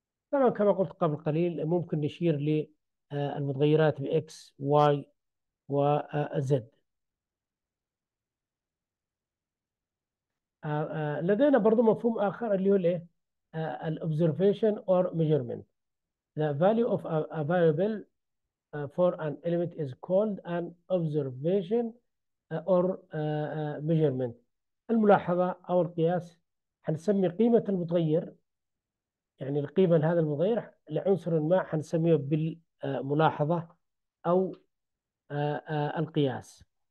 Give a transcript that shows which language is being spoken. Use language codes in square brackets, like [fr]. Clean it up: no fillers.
[ar] طبعا كما قلت قبل قليل ممكن نشير للمتغيرات بـ X Y و Z. لدينا برضو مفهوم آخر اللي هو الايه؟ [en] الاوبزرفيشن or measurement. The value of a variable for an element is called an observation or measurement. [ar] الملاحظة أو القياس، هنسمي قيمة المتغير، يعني القيمة لهذا المتغير لعنصر ما هنسميه بالملاحظة أو القياس.